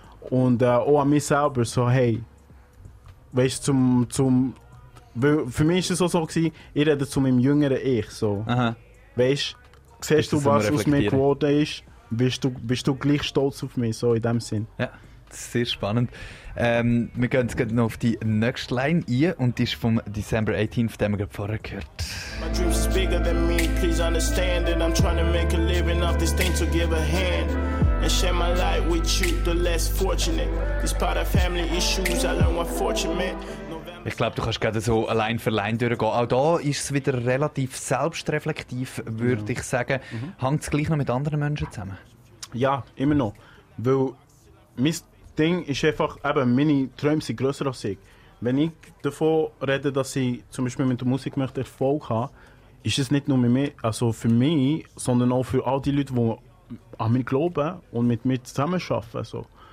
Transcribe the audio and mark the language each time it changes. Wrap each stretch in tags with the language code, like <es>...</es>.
<de>Und auch an mich selber, so hey, weißt du, für mich war es auch so gewesen, ich rede zu meinem jüngeren Ich, so. Aha. Siehst du, was aus mir geworden ist? Bist du gleich stolz auf mich, so in dem Sinn? Ja, das ist sehr spannend. Wir gehen jetzt noch auf die nächste Line ein und die ist vom December 18, von dem wir gerade vorher gehört.</de> <en>My dreams are bigger than me, please understand that I'm trying to make a living off this thing to give a hand and share my life with you, the less fortunate. Despite our family issues, I learned what fortune meant.</en> <de>Ich glaube, du kannst gerade so Line für Line durchgehen. Auch da ist es wieder relativ selbstreflektiv, würde ich sagen. Mhm. Hängt es gleich noch mit anderen Menschen zusammen? Ja, immer noch. Weil mein Ding ist einfach, eben, meine Träume sind grösser als ich. Wenn ich davon rede, dass ich zum Beispiel mit der Musik möchte Erfolg haben, ist es nicht nur mit mir, also für mich, sondern auch für all die Leute, die an mich glauben und mit mir zusammenarbeiten. So.</de>